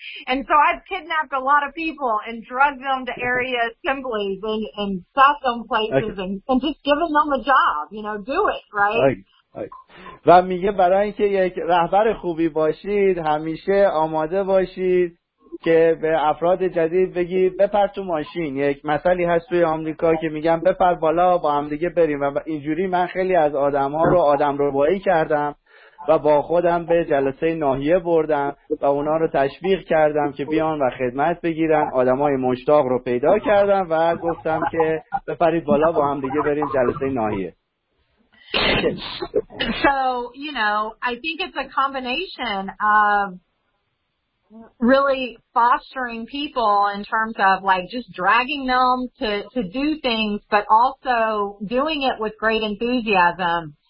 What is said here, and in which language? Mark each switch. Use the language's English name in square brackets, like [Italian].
[English] And so I've kidnapped a lot of people and drug them to area assemblies and sat them places and just given them a job, do it, right? [Persian] و میگه برای اینکه یک رهبر خوبی باشید همیشه آماده باشید که به افراد جدید بگید بپر تو ماشین. یک مثالی هست توی آمریکا که میگن بپر بالا با هم دیگه بریم و اینجوری من خیلی از آدم‌ها رو آدم ربایی کردم و با خودم به جلسه ناحیه بردم و اونا رو تشویق کردم که بیان و خدمت بگیرن. آدمای مشتاق رو پیدا کردم و گفتم که بپرید بالا با هم دیگه بریم جلسه ناحیه. [English] So, I think it's a combination of really fostering people in terms of like just dragging them to do things, but also doing it with great enthusiasm.